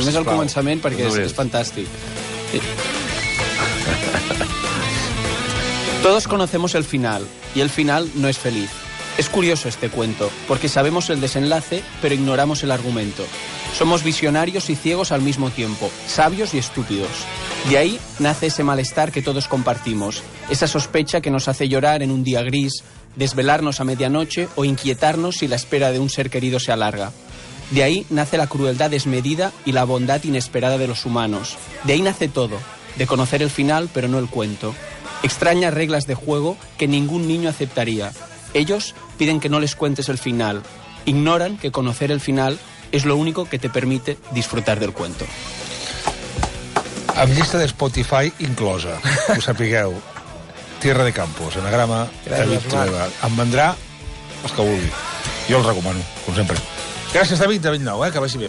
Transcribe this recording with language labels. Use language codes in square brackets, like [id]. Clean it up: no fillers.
[ca] Només el començament, perquè és fantàstic. [es] Todos conocemos el final, y el final no es feliz. Es curioso este cuento, porque sabemos el desenlace, pero ignoramos el argumento. Somos visionarios y ciegos al mismo tiempo, sabios y estúpidos. De ahí nace ese malestar que todos compartimos, esa sospecha que nos hace llorar en un día gris, desvelarnos a medianoche o inquietarnos si la espera de un ser querido se alarga. De ahí nace la crueldad desmedida y la bondad inesperada de los humanos. De ahí nace todo, de conocer el final pero no el cuento. Extrañas reglas de juego que ningún niño aceptaría. Ellos piden que no les cuentes el final. Ignoran que conocer el final es lo único que te permite disfrutar del cuento. [ca] Amb llista de Spotify inclosa, ho sapigueu. Tierra de Campos, anagrama David Trueba. Em vendrà els que vulgui. Jo el recomano, com sempre. Gràcies, David, de Bellnou, que vagi bé.